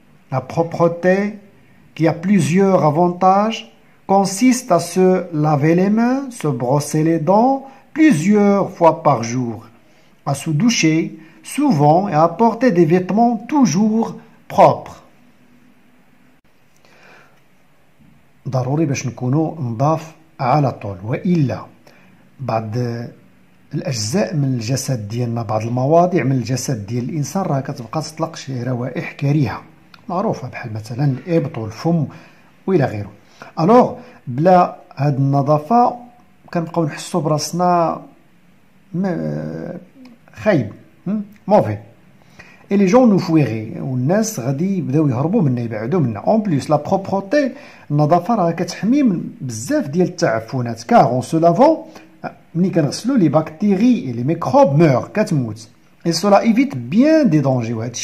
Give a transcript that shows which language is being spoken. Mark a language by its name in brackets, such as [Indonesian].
[French] La propreté qui a plusieurs avantages, consiste à se laver les mains, se brosser les dents plusieurs fois par jour, à se doucher souvent et à porter des vêtements toujours propres. [Arabic] ضروري باش نكونوا نضاف على طول وإلا بعد الأجزاء من الجسد ديالنا بعض المواضيع من الجسد ديال الإنسان راه كتبقى تطلق شي روائح كريهة معروفة بحال مثلا الإبط والفم وإلى غيره. ألوغ بلا هاد النظافة كنبقاو نحسو براسنا خايب موفي إي لي جون نو فويغي والناس غادي يبداو يهربوا منا يبعدوا منا. أون بليس لا بروبروتي النظافة راه كتحمي من بزاف ديال التعفنات كاغ أون سو لافون ملي كنغسلو لي باكتيري إي لي ميكروب مور كتموت. [French] Et cela évite bien des dangers.